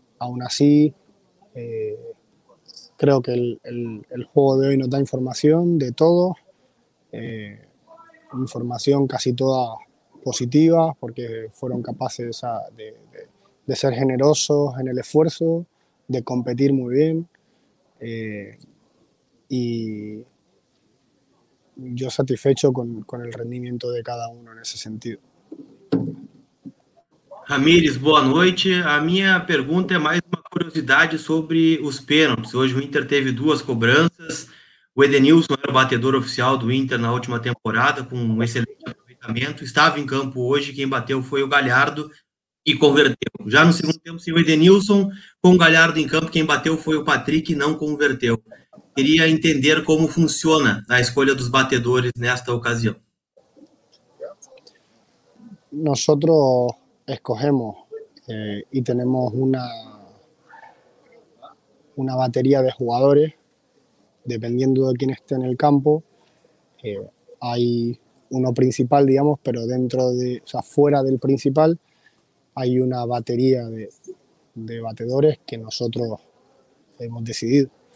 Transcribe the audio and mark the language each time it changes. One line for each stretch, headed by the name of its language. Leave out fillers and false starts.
Spanish: Aún así, creo que el juego de hoy nos da información de todo, información casi toda positiva, porque fueron capaces de ser generosos en el esfuerzo, de competir muy bien, y yo satisfecho con el rendimiento de cada uno en ese sentido.
Portuguese: Ramires, boa noite. A minha pergunta é mais uma curiosidade sobre os pênaltis. Hoje o Inter teve duas cobranças, O Edenilson era o batedor oficial do Inter na última temporada, com um excelente aproveitamento. Estava em campo hoje, quem bateu foi o Galhardo e converteu. Já no segundo tempo, sim, o Edenilson, com o Galhardo em campo, quem bateu foi o Patrick e não converteu. Queria entender como funciona a escolha dos batedores nesta ocasião.
Spanish: Nosotros escogemos y tenemos una batería de jugadores, dependiendo de quién esté en el campo. Hay uno principal, digamos, pero dentro de, o sea, fuera del principal, hay una batería de batedores que nosotros hemos decidido.